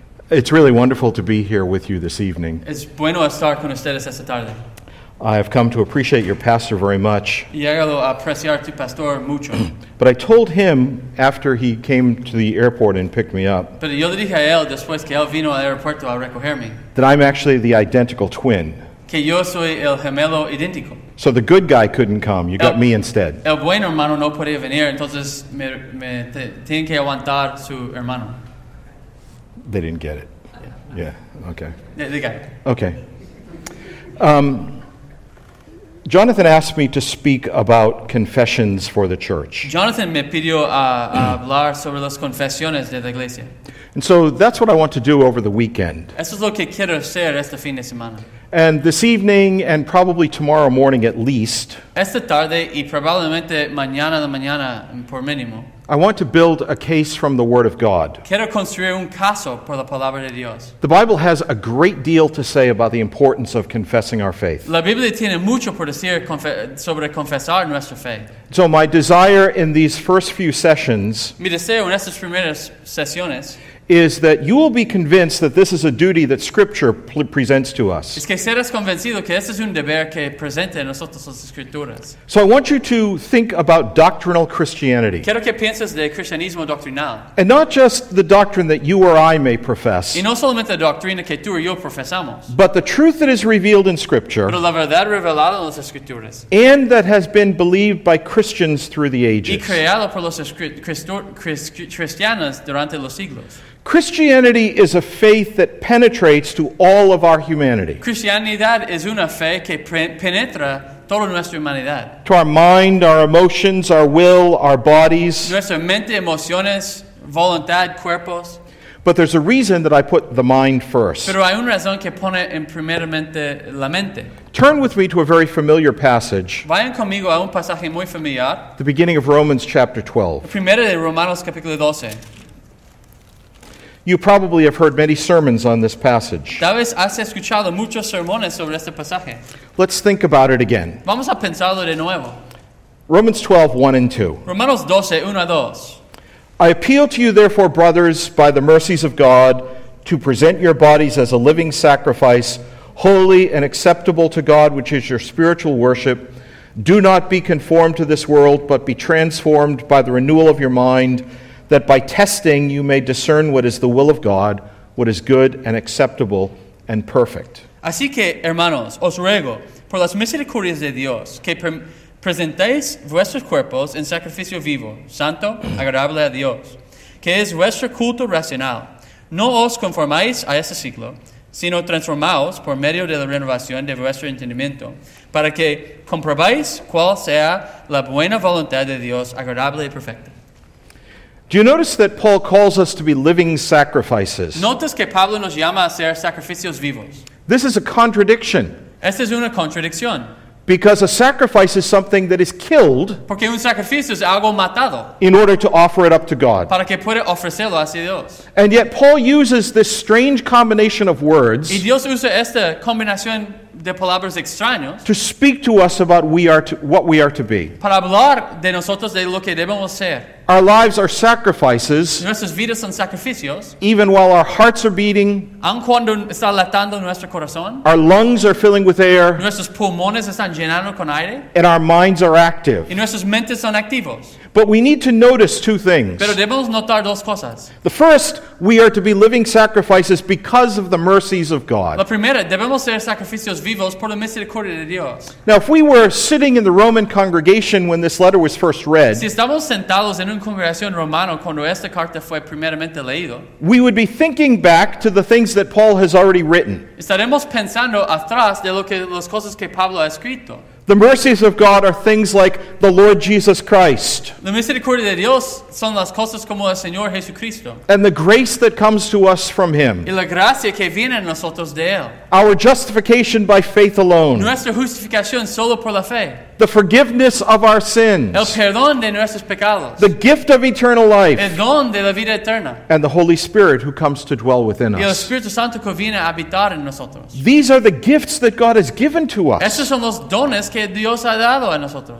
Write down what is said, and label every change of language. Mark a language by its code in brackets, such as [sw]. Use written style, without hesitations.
[en] It's really wonderful to be here with you this evening. [es] Es bueno estar con ustedes esta tarde. [en] I have come to appreciate your pastor very much. [es] Llegado a apreciar tu pastor mucho. [en] But I told him after he came to the airport and picked me up. [es] Pero yo le dije a él después que él vino al aeropuerto a recogerme. [en] That I'm actually the identical twin. [es] Que yo soy el gemelo idéntico. [en] So the good guy couldn't come. You got me instead. [es] El buen hermano no podía venir, entonces me tiene que aguantar su hermano. [en] They didn't get it. Yeah. Okay. They got it. Okay. Jonathan asked me to speak about confessions for the church. [es] Jonathan me pidió hablar sobre las confesiones de la iglesia. [en] And so that's what I want to do over the weekend. [es] Eso es lo que quiero hacer este fin de semana. [en] And this evening, and probably tomorrow morning at least. [es] Esta tarde y probablemente mañana de mañana por mínimo. [en] I want to build a case from the Word of God. [es] Quiero construir un caso por la palabra de Dios. [en] The Bible has a great deal to say about the importance of confessing our faith. [es] La Biblia tiene mucho por decir sobre confesar nuestra fe. [en] So my desire in these first few sessions. [es] Mi deseo en estas primeras sesiones. [en] Is that you will be convinced that this is a duty that Scripture presents to us. [es] Es que serás convencido que este es un deber que presenta a nosotros las Escrituras. [en] So I want you to think about doctrinal Christianity. [es] Quiero que pienses de cristianismo doctrinal. [en] And not just the doctrine that you or I may profess. [es] Y no solamente la doctrina que tú o yo profesamos. [en] But the truth that is revealed in Scripture. [es] Pero la verdad revelada en las Escrituras. [en] And that has been believed by Christians through the ages. [es] Y creado por los cristianos durante los siglos. [en] Christianity is a faith that penetrates to all of our humanity. [es] Cristianidad es una fe que penetra toda nuestra humanidad. [en] To our mind, our emotions, our will, our bodies. [es] Nuestra mente, emociones, voluntad, cuerpos. [en] But there's a reason that I put the mind first. [es] Pero hay una razón que pone en primeramente la mente. [en] Turn with me to a very familiar passage. [es] Vayan conmigo a un pasaje muy familiar. [en] The beginning of Romans chapter 12. [es] El primero de Romanos capítulo 12. [en] You probably have heard many sermons on this passage. [es] Tal vez has escuchado muchos sermones sobre este pasaje. [en] Let's think about it again. [es] Vamos a pensarlo de nuevo. [en] Romans 12, 1 and 2. [es] Romanos 12, 1 a 2. [en] I appeal to you therefore, brothers, by the mercies of God, to present your bodies as a living sacrifice, holy and acceptable to God, which is your spiritual worship. Do not be conformed to this world, but be transformed by the renewal of your mind, that by testing you may discern what is the will of God, what is good and acceptable and perfect. [es] Así que, hermanos, os ruego, por las misericordias de Dios, que presentéis vuestros cuerpos en sacrificio vivo, santo, agradable a Dios, que es vuestro culto racional. No os conformáis a este siglo, sino transformaos por medio de la renovación de vuestro entendimiento, para que comprobéis cuál sea la buena voluntad de Dios, agradable y perfecta. [en] Do you notice that Paul calls us to be living sacrifices? [es] Notas que Pablo nos llama a ser sacrificios vivos. [en] This is a contradiction. [es] Esta es una contradicción. [en] Because a sacrifice is something that is killed. [es] Porque un sacrificio es algo matado. [en] In order to offer it up to God. [es] Para que pueda ofrecerlo hacia Dios. [en] And yet Paul uses this strange combination of words. [es] Y Dios usa esta combinación de palabras extrañas. [en] To speak to us about what we are to be. [es] Para hablar de nosotros de lo que debemos ser. [en] Our lives are sacrifices. [es] Nuestras vidas son sacrificios. [en] Even while our hearts are beating. [es] Aun cuando está latiendo nuestro corazón. [en] Our lungs are filling with air. [es] Nuestros pulmones están llenando con aire. [en] And our minds are active. [es] Y nuestras mentes son activos. [en] But we need to notice two things. [es] Pero debemos notar dos cosas. [en] The first, we are to be living sacrifices because of the mercies of God. [es] La primera, debemos ser sacrificios vivos por la misericordia de Dios. [en] Now, if we were sitting in the Roman congregation when this letter was first read, [es] si estamos sentados en una congregación romana cuando esta carta fue primeramente leído, [en] we would be thinking back to the things that Paul has already written. [es] Estaremos pensando atrás de lo que las cosas que Pablo ha escrito. [en] The mercies of God are things like the Lord Jesus Christ. [es] La misericordia de Dios son las cosas como el Señor Jesucristo. [en] And the grace that comes to us from Him. [es] Y la gracia que viene a nosotros de Él. [en] Our justification by faith alone. [es] Nuestra justificación solo por la fe. [en] The forgiveness of our sins. [es] El perdón de nuestros pecados. [en] The gift of eternal life. [es] El don de la vida eterna. [en] And the Holy Spirit who comes to dwell within us. [es] Y el Espíritu Santo que viene a habitar en nosotros. [en] These are the gifts that God has given to us. [es] Estos son los dones que Dios ha dado a nosotros.